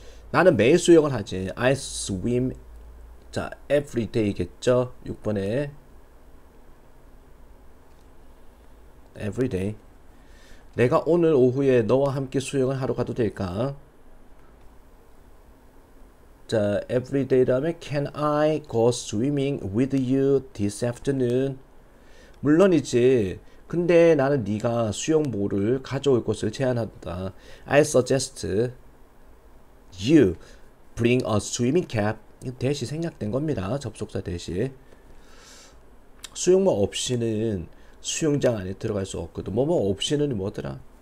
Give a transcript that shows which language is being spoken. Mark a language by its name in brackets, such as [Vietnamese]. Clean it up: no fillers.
[Korean] 나는 매일 수영을 하지. [English] I swim. [Korean] 자, [English] every day [Korean] 겠죠? 6번에. [English] Every day. [Korean] 내가 오늘 오후에 너와 함께 수영을 하러 가도 될까? [English] 자, every day [Korean] 다음에 [English] can I go swimming with you this afternoon? [Korean] 물론이지. 근데 나는 네가 수영모를 가져올 것을 제안한다. [English] I suggest you bring a swimming cap. [Korean] 대시 생략된 겁니다. 접속사 대시. 수영모 없이는 수영장 안에 들어갈 수 없거든. 뭐뭐 없이는 뭐더라?